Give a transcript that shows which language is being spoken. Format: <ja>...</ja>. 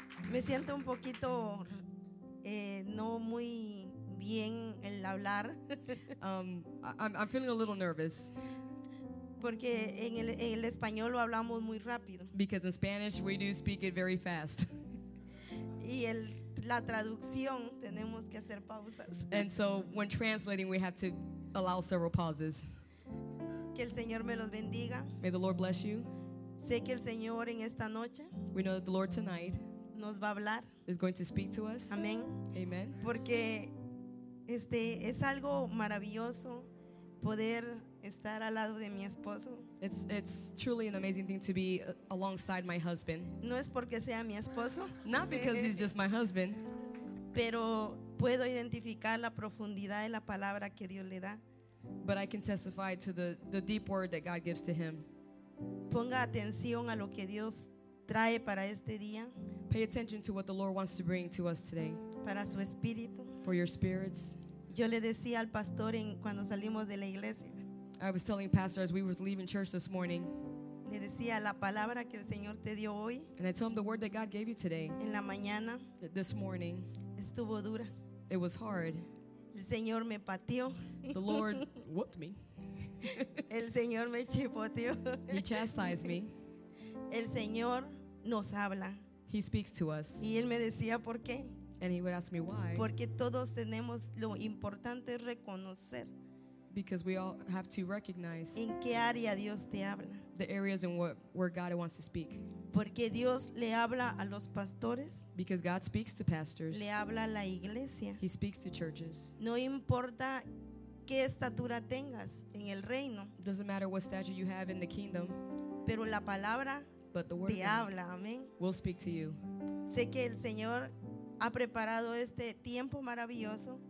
<es>Me siento un poquito no muy bien el hablar.</es> <en>I'm feeling a little nervous.</en> <es>Porque en el español lo hablamos muy rápido.</es> <en>Because in Spanish we do speak it very fast.</en> <es>Y la traducción tenemos que hacer pausas.</es> <en>And so when translating we have to allow several pauses.</en> <es>Que el Señor me los bendiga.</es> <en>May the Lord bless you.</en> <es>Sé que el Señor en esta noche.</es> <en>We know that the Lord tonight.</en> <es>nos va a hablar.</es> <en>Is going to speak to us.</en> <es>Amén.</es> <en>Amen.</en> <es>Porque es algo maravilloso poder estar al lado de mi esposo.</es> <en>It's truly an amazing thing to be alongside my husband.</en> <es>No es porque sea mi esposo.</es> <en>Not because he's just my husband.</en> <es>Pero puedo identificar la profundidad de la palabra que Dios le da.</es> <en>But I can testify to the deep word that God gives to him.</en> <es>Ponga atención a lo que Dios trae para este día.</es> <en>Pay attention to what the Lord wants to bring to us today.</en> <es>Para su espíritu.</es> <en>For your spirits.</en> <es>Yo le decía al pastor cuando salimos de la iglesia.</es> <en>I was telling Pastor as we were leaving church this morning.</en> <es>Le decía la palabra que el Señor te dio hoy.</es> <en>And I told him the word that God gave you today.</en> <es>En la mañana.</es> <en>This morning.</en> <es>Estuvo dura.</es> <en>It was hard.</en> <es>El Señor me pateó.</es> <en>The Lord whooped me.</en> <es>El Señor me chipoteó.</es> <en>He chastised me.</en> <es>El Señor nos habla.</es> <en>He speaks to us.</en> <es>Y él me decía por qué.</es> <en>And he would ask me why.</en> <es>Porque todos tenemos lo importante es reconocer.</es> <en>Because we all have to recognize.</en> <es>En qué área Dios te habla.</es> <en>The areas in where God wants to speak.</en> <es>Porque Dios le habla a los pastores.</es> <en>Because God speaks to pastors.</en> <es>Le habla a la iglesia.</es> <en>He speaks to churches.</en> <es>No importa qué estatura tengas en el reino.</es> <en>Doesn't matter what stature you have in the kingdom.</en> <es>Pero la palabra</es> <en>but the word</en> <es>te habla, amén.</es> <en>Will speak to you.</en> <es>Sé que el Señor ha preparado este tiempo maravilloso.</es>